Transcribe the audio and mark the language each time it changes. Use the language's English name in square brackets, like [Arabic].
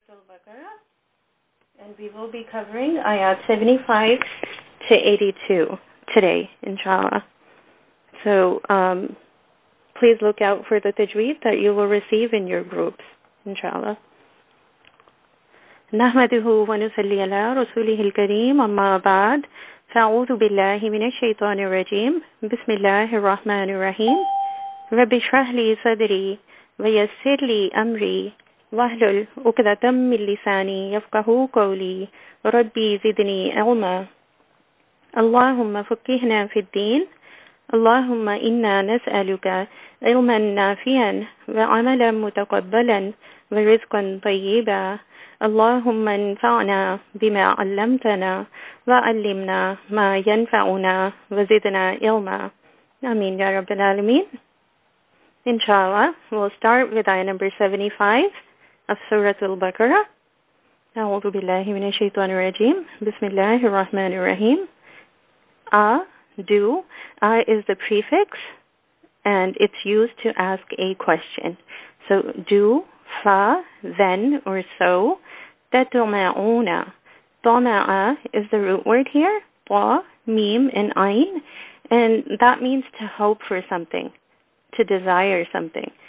[English] chakra, and we will be covering ayat 75 to 82 today, inshallah. So please look out for the tajweed that you will receive in your groups, inshallah. [Arabic] نحمده ونصلي على رسوله الكريم أما بعد فأعوذ بالله من الشيطان الرجيم بسم الله الرحمن الرحيم رب اشرح لي صدري ويسر لي أمري واحلل عقدة من لساني يفقهوا قولي ربي زدني علما اللهم فقهنا في الدين اللهم إنا نسألك علما نافعا وعملا متقبلا ورزقا طيبا اللهم انفعنا بما علمتنا وعلمنا ما ينفعنا وزدنا علما آمين يا رب العالمين [English] Inshallah, we'll start with ayah number 75 of Surah Al-Baqarah. [Arabic] أعوذ بالله من الشيطان الرجيم بسم الله الرحمن الرحيم [English] A, do, A is the prefix and it's used to ask a question. So, do, fa, then, or so, [Arabic] تَطْمَعُونَ طَمَعَ [English] is the root word here, طَ, ميم, and عَيْن, and that means to hope for something, to desire something.